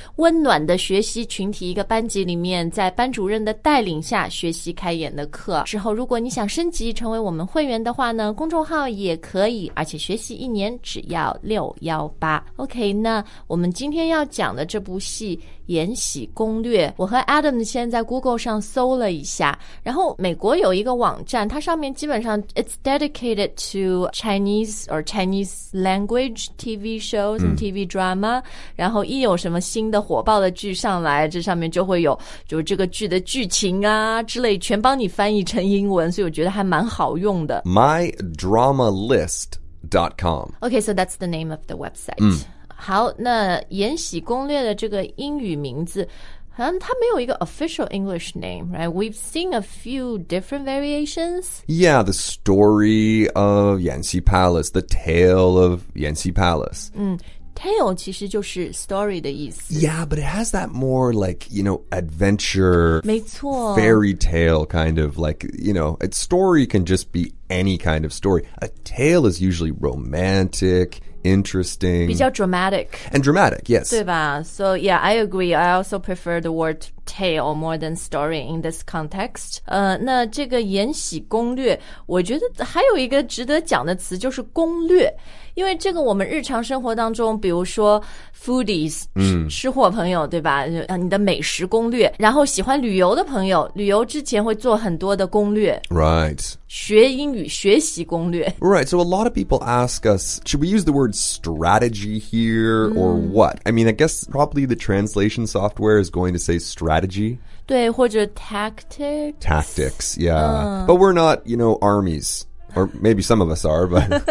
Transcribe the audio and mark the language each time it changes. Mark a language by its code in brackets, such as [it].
[zh] 温暖的学习群体一个班级里面在班主任的带领下学习开言的课之后如果你想升级成为我们会员的话呢公众号也可以而且学习一年只要618 OK 那我们今天要讲的这部戏《延禧攻略》我和 Adam 现在在 Google 上搜了一下然后美国有一个网站它上面基本上 [en] It's dedicated to Chinese or Chinese language TV shows and TV drama、 [zh] 嗯、然后一有什么新的火爆的剧上来这上面就会有就这个剧的剧情啊之类全帮你翻译成英文所以我觉得还蛮好用的 [en] MyDramaList.com Okay, so that's the name of the website.、嗯、 [zh] 好，那《延禧攻略》的这个英语名字，好像它没有一个 [en] official English name, right? We've seen a few different variations. Yeah, the story of Yanxi Palace, the tale of Yanxi Palace. [zh] 嗯 ，tale 其实就是 story 的意思。 [en] Yeah, but it has that more like you know adventure, [zh] 没错 [en] fairy tale kind of like you know a story can just be. Any kind of story. A tale is usually romantic, interesting. [zh] 比较 dramatic. [en] And dramatic, yes. [zh] 对吧 [en] So yeah, I agree. I also prefer the word tale more than story in this context. [zh] 那这个延禧攻略我觉得还有一个值得讲的词就是攻略因为这个我们日常生活当中比如说 foodies,、嗯、吃货朋友对吧你的美食攻略然后喜欢旅游的朋友旅游之前会做很多的攻略 [en] Right. [zh] 学英语学习攻略 [en] Right, so a lot of people ask us should we use the word strategy here、mm. or what? I mean, I guess probably the translation software is going to say strategy [zh] 对或者 tactics [en] Tactics, yeah、But we're not, you know, armies or maybe some of us are, but